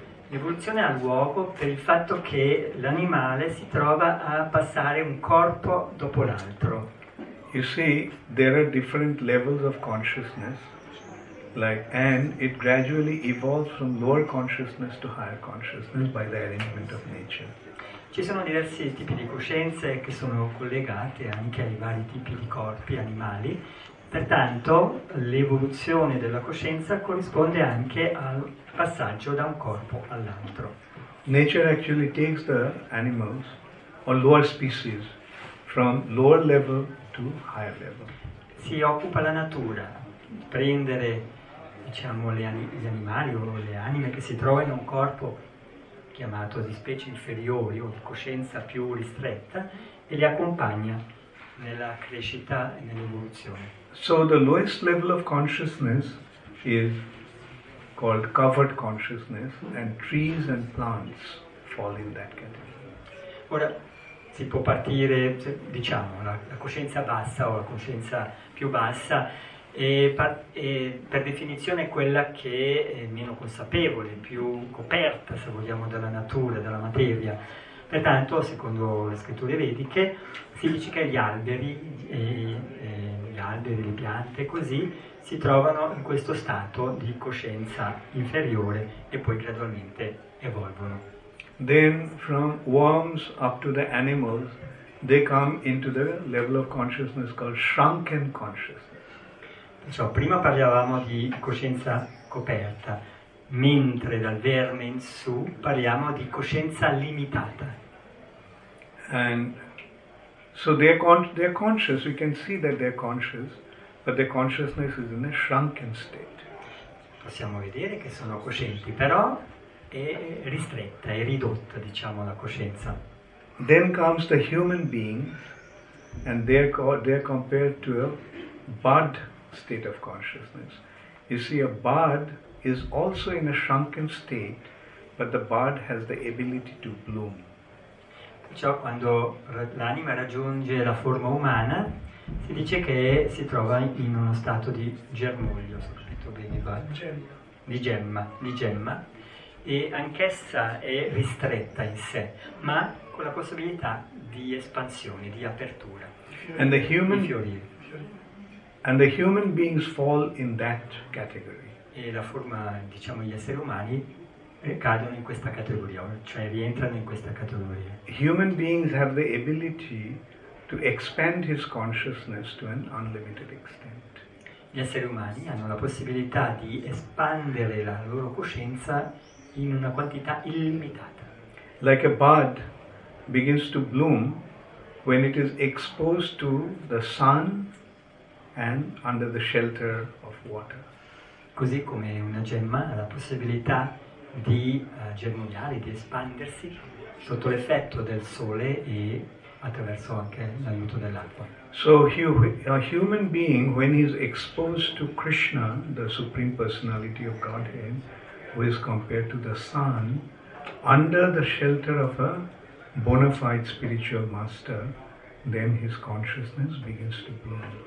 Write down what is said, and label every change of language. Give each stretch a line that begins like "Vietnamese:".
Italian: L'evoluzione ha luogo per il fatto che l'animale si trova a passare un corpo dopo l'altro.
English: You see, there are different levels of consciousness, like, and it gradually evolves from lower consciousness to higher consciousness by the arrangement of nature.
Italian: Ci sono diversi tipi di coscienze che sono collegate anche ai vari tipi di corpi animali. Pertanto, l'evoluzione della coscienza corrisponde anche al passaggio da un corpo all'altro.
English: Nature actually takes the animals or lower species from lower level to higher level.
Italian: Si occupa la natura di prendere, diciamo, gli animali o le anime che si trovano in un corpo chiamato di specie inferiori o di coscienza più ristretta e li accompagna nella crescita e nell'evoluzione.
English: So the lowest level of consciousness is called covered consciousness, and trees and plants fall in that category.
Italian: Ora si può partire, diciamo, la coscienza bassa o la coscienza più bassa e per definizione quella che è meno consapevole, più coperta, se vogliamo, dalla natura, dalla materia. Pertanto, secondo le scritture vediche, si dice che gli alberi, le piante, così, si trovano in questo stato di coscienza inferiore e poi gradualmente evolvono.
English: Then, from worms up to the animals, they come into the level of consciousness called shrunken consciousness.
Italian: Perciò prima parlavamo di coscienza coperta, mentre dal verme in su parliamo di coscienza limitata.
English: And so they're conscious, we can see that they're conscious, but their consciousness is in a shrunken state.
Italian: Possiamo vedere che sono coscienti, però è ristretta, è ridotta, diciamo, la coscienza.
English: Then comes the human being, and they're compared to a bud state of consciousness. You see, a bud is also in a shrunken state, but the bud has the ability to bloom.
Italian: Perciò quando l'anima raggiunge la forma umana, si dice che si trova in uno stato di germoglio, se ho capito bene, bud. Di gemma, e anch'essa è ristretta in sé, ma con la possibilità di espansione, di apertura.
English: And the human beings fall in that category.
Italian: E la forma, diciamo, gli esseri umani cadono in questa categoria, cioè rientrano in questa categoria.
English: Human beings have the ability to expand his consciousness to an unlimited extent.
Italian: Gli esseri umani hanno la possibilità di espandere la loro coscienza in una quantità illimitata.
English: Like a bud begins to bloom when it is exposed to the sun and under the shelter of water.
Italian: Così come una gemma ha la possibilità di germogliare, di espandersi sotto l'effetto del sole e attraverso anche l'aiuto dell'acqua.
English: So a human being, when he is exposed to Krishna, the Supreme Personality of Godhead, who is compared to the sun, under the shelter of a bona fide spiritual master, then his consciousness begins to bloom.